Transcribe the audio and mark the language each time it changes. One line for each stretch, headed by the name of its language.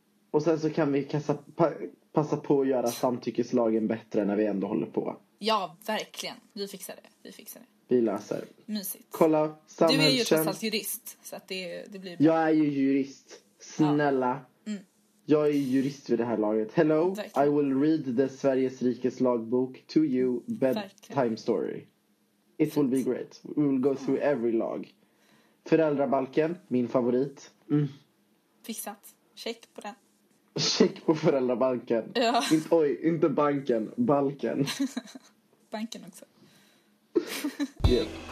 Swedish: Och sen så kan vi passa på att göra samtyckeslagen bättre när vi ändå håller på. Ja, verkligen. Vi fixar det. Vi löser. Mysigt. Kolla, samhällstjänst. Du är ju trots allt jurist. Så att det blir bra. Jag är ju jurist. Snälla. Ja. Mm. Jag är ju jurist vid det här laget. Hello, verkligen.
English: I will read the Sveriges rikes lagbok to you bedtime story. It will be great. We will go through every lag.
Swedish: Föräldrabalken, min favorit. Mm. Fixat. Check på den. Check på föräldrabalken. Ja. Inte banken, balken. Banken också.
English: Yeah.